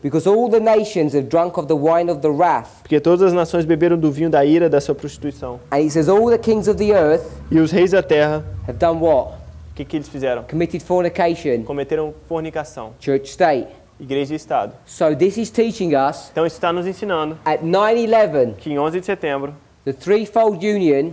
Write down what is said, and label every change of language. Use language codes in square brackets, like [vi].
[en] Because all the nations have drunk of the wine of the wrath. [pt] Porque todas as nações beberam do vinho da ira da sua prostituição. [en] And it says all the kings of the earth. [pt] E os reis da terra. [en] Have done what? [pt] O que, que eles fizeram? [en] Committed fornication. [pt] Cometeram fornicação. [en] Church state. [pt] Igreja e Estado. [en] So this is teaching us. [pt] Então isso está nos ensinando. [en] At 9/11. [pt] Que em 11 de setembro. [en] The threefold union.